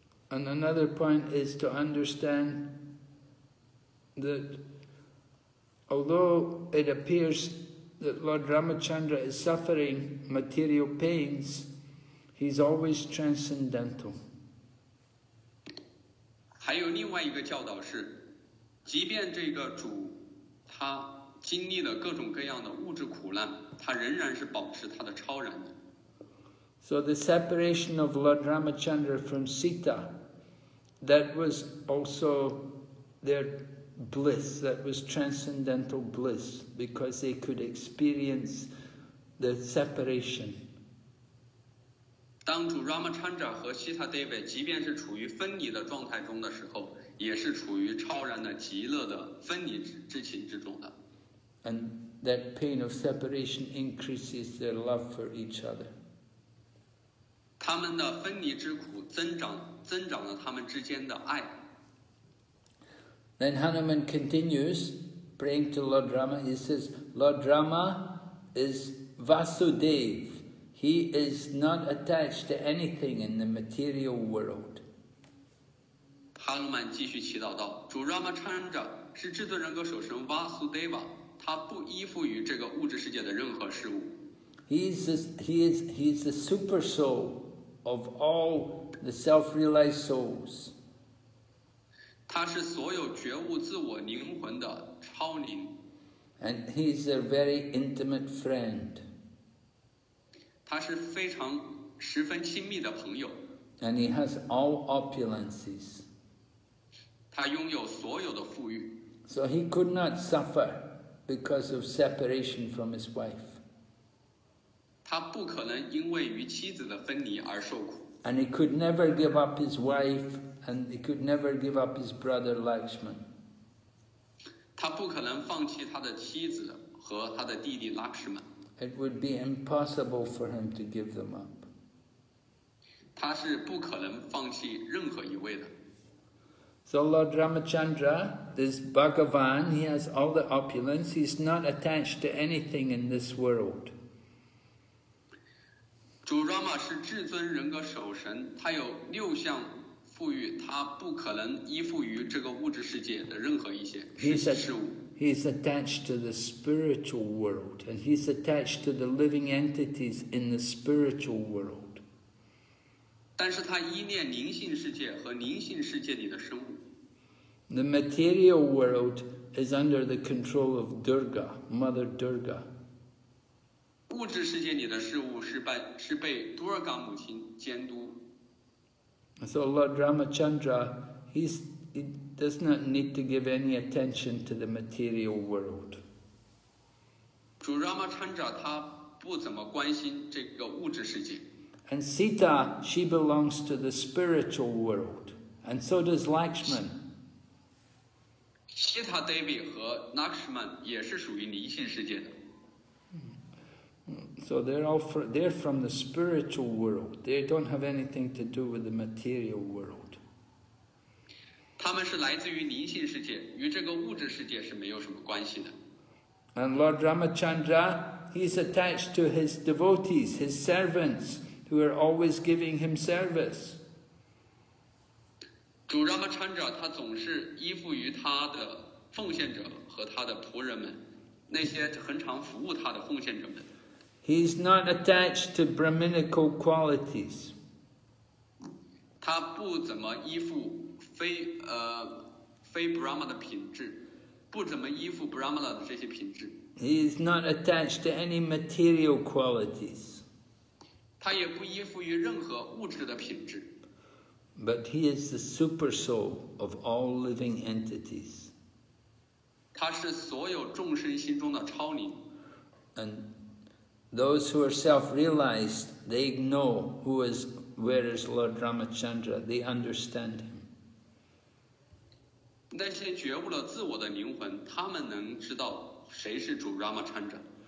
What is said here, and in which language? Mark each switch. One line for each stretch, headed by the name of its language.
English: And another point is to understand that although it appears that Lord Ramachandra is suffering material pains, he's always transcendental.
Chinese: 还有另外一个教导是，即便这个主他经历了各种各样的物质苦难，他仍然是保持他的超然的。
English: So the separation of Lord Ramachandra from Sita, that was also their bliss, that was transcendental bliss, because they could experience the separation.
Chinese: 当主 Ramachandra 和 Sita Devi 即便是处于分离的状态中的时候，也是处于超然的极乐的分离之情之中的。
English: And that pain of separation increases their love for each other.
Chinese: 他们的分离之苦增长了他们之间的爱。
English: Then Hanuman continues praying to Lord Rama. He says, Lord Rama is Vasudev. He is not attached to anything in the material world.
Chinese: Hanuman 继续祈祷道，主 Ramachandra 是至尊人格守神 Vasudeva， 他不依附于这个物质世界的任何事物。
English: He is the super soul. Of all the self-realized souls.
Chinese: 他是所有觉悟自我灵魂的超灵。
English: And he is a very intimate friend.
Chinese: 他是非常十分亲密的朋友。
English: And he has all opulences.
Chinese: 他拥有所有的富裕。
English: So he could not suffer because of separation from his wife.
Chinese: 他不可能因为与妻子的分离而受苦。
English: And he could never give up his wife, and he could never give up his brother Lakshman.
Chinese: 他不可能放弃他的妻子和他的弟弟 Lakshman.
English: It would be impossible for him to give them up.
Chinese: 他是不可能放弃任何一位的。
English: So Lord Ramachandra, this Bhagavan, he has all the opulence, he's not attached to anything in this world.
Chinese: 主 Rama 是至尊人格守神，他有六项富裕，他不可能依附于这个物质世界的任何一些事物。
English: He is attached to the spiritual world, and he is attached to the living entities in the spiritual world.
Chinese: 但是他依恋灵性世界和灵性世界里的生物。
English: The material world is under the control of Durga, Mother Durga.
Chinese: 物质世界里的事物是被多尔嘎母亲监督。
English: So Lord Ramachandra, he does not need to give any attention to the material world.
Chinese: 主 Ramachandra 他不怎么关心这个物质世界。
English: And Sita, she belongs to the spiritual world, and so does Lakshman.
Chinese: Sita Devi 和 Lakshman 也是属于灵性世界的。
English: So they're from the spiritual world. They don't have anything to do with the material world.
Chinese: 他们是来自于灵性世界，与这个物质世界是没有什么关系的。
English: And Lord Ramachandra, he's attached to his devotees, his servants, who are always giving him service.
Chinese: 主 Ramachandra, 他总是依附于他的奉献者和他的仆人们，那些恒常服务他的奉献者们。
English: He's not attached to Brahminical qualities.
Chinese: 他不怎么依附非 Brahma 的品质，不怎么依附 Brahma 的这些品质。
English: He's not attached to any material qualities.
Chinese: 他也不依附于任何物质的品质。
English: But he is the super soul of all living entities.
Chinese: 他是所有众生心中的超灵。
English: And those who are self-realized, they know who is where is Lord Ramachandra? They understand him.
Chinese: 那些觉悟了自我的灵魂，他们能知道谁是主 Ramachandra。